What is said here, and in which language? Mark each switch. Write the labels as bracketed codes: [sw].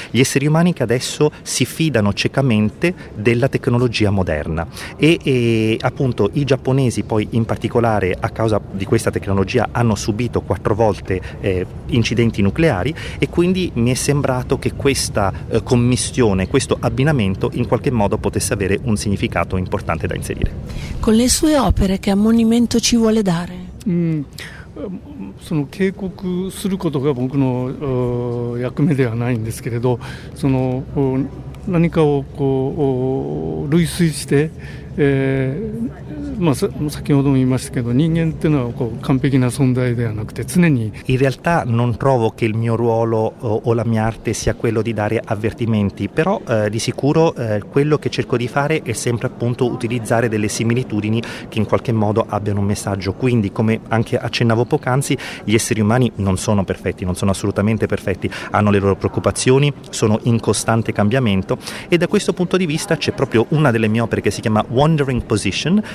[it] Gli esseri umani che adesso si fidano ciecamente della tecnologia moderna e appunto i giapponesi poi in particolare a causa di questa tecnologia hanno subito 4 volte incidenti nucleari e quindi mi è sembrato che questa commistione, questo abbinamento in qualche modo potesse avere un significato importante da inserire. Con le sue opere che ammonimento ci vuole dare? [ja] その警告することが僕の役目ではないんですけれど、その何かをこう類推して、まあ、先ほども言いましたけど、人間っていうのはこう完璧な存在ではなくて、常に。 [it] In realtà non trovo che il mio ruolo o la mia arte sia quello di dare avvertimenti, però di sicuro quello che cerco di fare è sempre appunto utilizzare delle similitudini che in qualche modo abbiano un messaggio. Quindi, come anche accennavo poc'anzi, gli esseri umani non sono perfetti, non sono assolutamente perfetti, hanno le loro preoccupazioni, sono in costante cambiamento e da questo punto di vista c'è proprio una delle mie opere che si chiama Wandering Position,